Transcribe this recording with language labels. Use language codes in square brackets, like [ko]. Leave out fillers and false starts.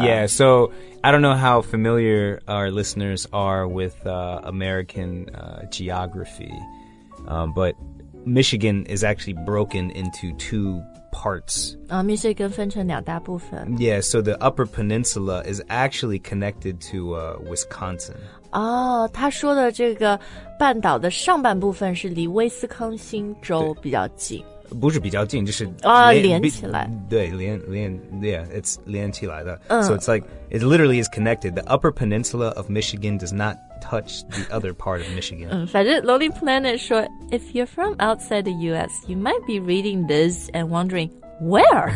[en] Yeah, so I don't know how familiar our listeners are with American geography but Michigan is actually broken into two parts [zh] 密歇根分成两大部分 [en] Yeah, so the Upper Peninsula is actually connected to Wisconsin [zh] 他说的这个半岛的上半部分是离威斯康星州比较近不是比较近就是连起来 [en] 对连 yeah, it's 连起来的、 so it's like it literally is connected the upper peninsula of Michigan does not touch the other part of Michigan 反正 Lonely Planet 说 if you're from outside the US you might be reading this and wondering where